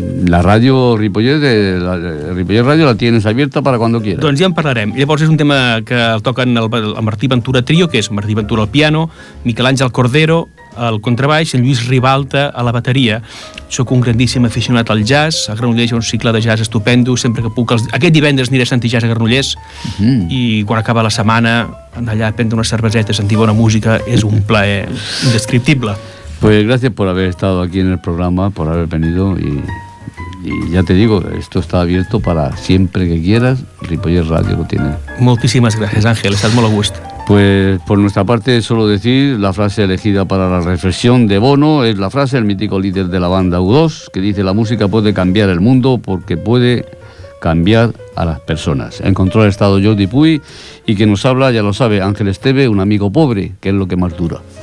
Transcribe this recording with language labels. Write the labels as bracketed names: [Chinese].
[Spanish] La ràdio Ripollet, Ripollet Ràdio, la tienes abierta para cuando quieras. [Catalan] Doncs ja en parlarem. Llavors és un tema que el toquen el Martí Ventura Trio, que és Martí Ventura al piano, Miquel Àngel Cordero al contrabaix, en Lluís Ribalta a la bateria. Soc un grandíssim aficionat al jazz, a Granollers hi ha un cicle de jazz estupendo, sempre que puc, aquest divendres aniré a sentir jazz a Granollers, i quan acaba la setmana, allà a prendre una cerveseta, sentir bona música, és un plaer indescriptible. [Spanish] Pues gracias por haber estado aquí en el programa, por haber venido, y ya te digo, esto está abierto para siempre que quieras, Ripollet Radio lo tiene. [Catalan] Moltíssimes gràcies, Àngel, estàs molt a gust. [Spanish] Pues por nuestra parte solo decir la frase elegida para la reflexión de Bono, es la frase del mítico líder de la banda U2, que dice: la música puede cambiar el mundo porque puede cambiar a las personas. En control ha estado Jordi Puy, y que nos habla, ya lo sabe, Ángel Esteve, un amigo pobre, que es lo que más dura.